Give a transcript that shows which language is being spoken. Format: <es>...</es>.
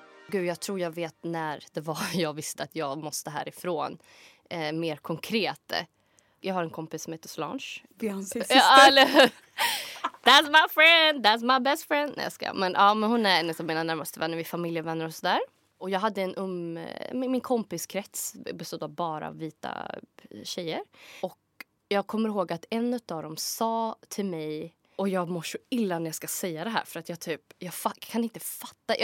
<sv>Gud, jag tror jag vet när det var jag visste att jag måste härifrån. Mer konkret. Jag har en kompis som heter Solange.</sv> <en>Beyoncé's sister. That's my friend, that's my best friend.</en> <sv>Nej, jag ska. Men, ja, men hon är en av mina närmaste vänner, vi är familjevänner och sådär. Och jag hade min kompiskrets bestod av bara vita tjejer. Och jag kommer ihåg att en av dem sa till mig, och jag mår så illa när jag ska säga det här, för att jag kan inte fatta.</sv>